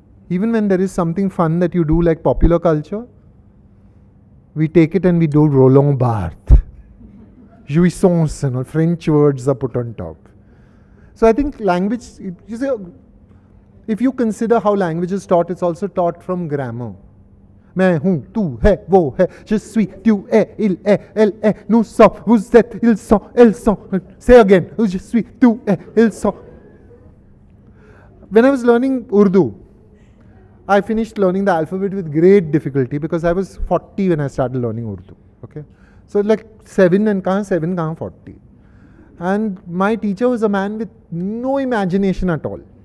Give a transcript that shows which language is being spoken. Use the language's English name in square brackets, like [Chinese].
[English] Even when there is something fun that you do, like popular culture, we take it and we do Roland Barthes. Jouissance, you know, French words are put on top. So I think language, you see, if you consider how language is taught, it's also taught from grammar. [Urdu] Main hoon, tu hai, wo hai, [French] je suis, tu es, il est, elle est, nous sommes, vous êtes, ils sont, elles sont. [English] Say again, [French] je suis, tu es, ils sont. [English] When I was learning Urdu, I finished learning the alphabet with great difficulty because I was 40 when I started learning Urdu. Okay, so like 7 and kaan 7 kaan 40. And my teacher was a man with no imagination at all.